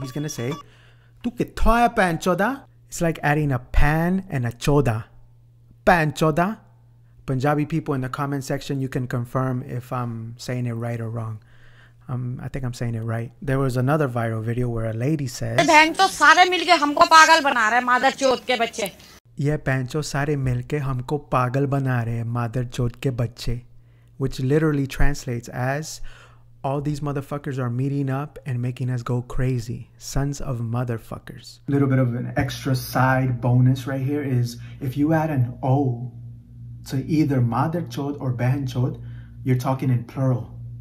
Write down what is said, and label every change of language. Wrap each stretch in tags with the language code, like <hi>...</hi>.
<en>He's going to say,</en> <pa>tu kitho aaya pan choda?</pa> <en>It's like adding a pan and a choda. Pan choda? Punjabi people in the comment section, you can confirm if I'm saying it right or wrong. I think I'm saying it right. There was another viral video where a lady says,</en> <hi>bhen to sare milke humko pagal bana rahe madar chod ke bacche. ये पन चोद सारे मिलके हमको पागल बना रहे मादर चोद के बच्चे.</hi> <en>Which literally translates as, all these motherfuckers are meeting up and making us go crazy. Sons of motherfuckers. A little bit of an extra side bonus right here is if you add an O to either madar chod or behan chod, you're talking in plural.</en>